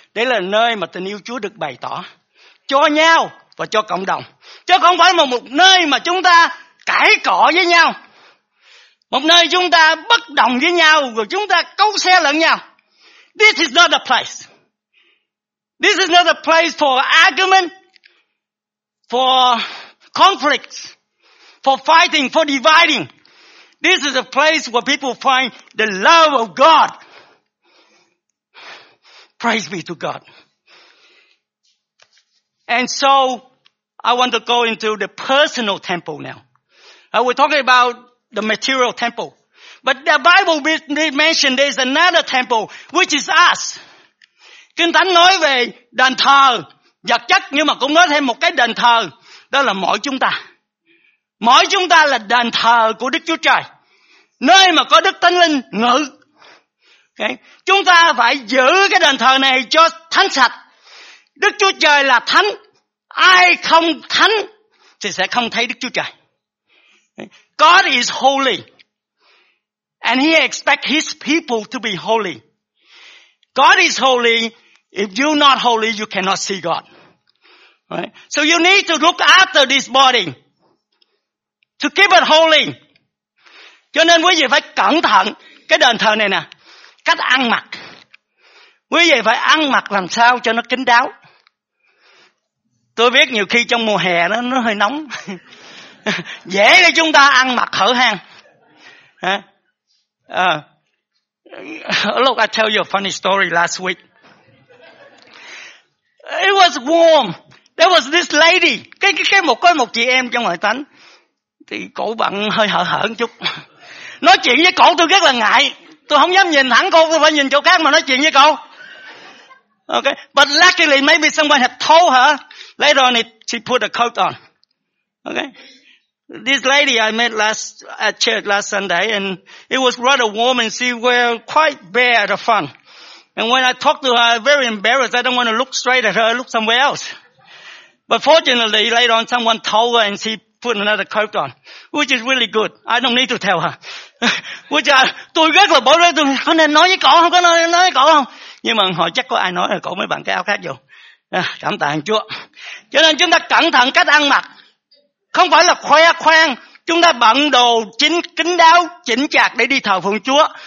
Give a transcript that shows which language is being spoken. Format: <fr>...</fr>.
<vi>Đây là nơi mà tình yêu Chúa được bày tỏ cho nhau và cho cộng đồng. Chứ không phải là một nơi mà chúng ta cãi cọ với nhau. Một nơi chúng ta bất đồng với nhau rồi chúng ta cấu xé lẫn nhau.</vi> <en>This is not a place. This is not a place for argument, for conflicts, for fighting, for dividing. This is a place where people find the love of God. Praise be to God. And so, I want to go into the personal temple now. I was talking about the material temple. But the Bible mentioned there's another temple, which is us.</en> <vi>Kinh Thánh nói về đền thờ vật chất, nhưng mà cũng nói thêm một cái đền thờ, đó là mỗi chúng ta. Mỗi chúng ta là đền thờ của Đức Chúa Trời, nơi mà có Đức Thánh Linh ngự. Okay. Chúng ta phải giữ cái đền thờ này cho thánh sạch. Đức Chúa Trời là thánh. Ai không thánh thì sẽ không thấy Đức Chúa Trời.</vi> <en>God is holy, and he expects his people to be holy. God is holy. If you're not holy, you cannot see God. Right? So you need to look after this body to keep it holy.</en> <vi>Cho nên quý vị phải cẩn thận cái đền thờ này nè, cách ăn mặc. Quý vị phải ăn mặc làm sao cho nó kín đáo. Tôi biết nhiều khi trong mùa hè nó hơi nóng. Dễ để chúng ta ăn mặc hở hang.</vi> <en>Look, I tell you a funny story last week. It was warm. There was this lady.</en> <vi>Có một chị em trong hội thánh. Thì cổ bận hơi hở hở một chút. Nói chuyện với cổ tôi rất là ngại. Tôi không dám nhìn thẳng cô, tôi phải nhìn chỗ khác mà nói chuyện với cô.</vi> <en>Okay. But luckily, maybe someone had told her. Later on, she put a coat on. Okay. This lady I met at church last Sunday, and it was rather warm, and she was quite bare at the front. And when I talked to her, I was very embarrassed. I don't want to look straight at her, look somewhere else. But fortunately, later on, someone told her, and she put another coat on, which is really good. I don't need to tell her. Which I,</en> <vi>tôi rất là bối rối, tôi có nên nói với cổ không, có nên nói với cổ không? Nhưng mà họ chắc có ai nói là cổ mới bằng cái áo khác vô. Cảm tạ Chúa. Cho nên chúng ta cẩn thận cách ăn mặc. Không phải là khoe khoang, chúng ta bận đồ chính kín đáo, chỉnh chạc để đi thờ phượng Chúa.</vi>